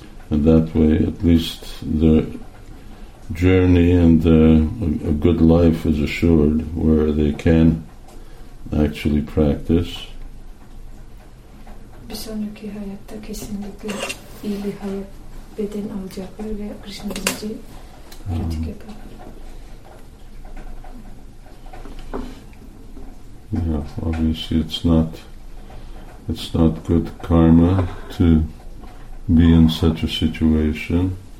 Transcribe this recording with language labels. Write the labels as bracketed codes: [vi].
[en] And that way, at least the journey and a good life is assured, where they can actually practice. [tr] Bir sonraki hayatta kesinlikle iyi bir hayat, beden alacaklar ve Krishna bilinci pratik yaparlar. [en] Yeah, obviously it's not good karma to be in such a situation.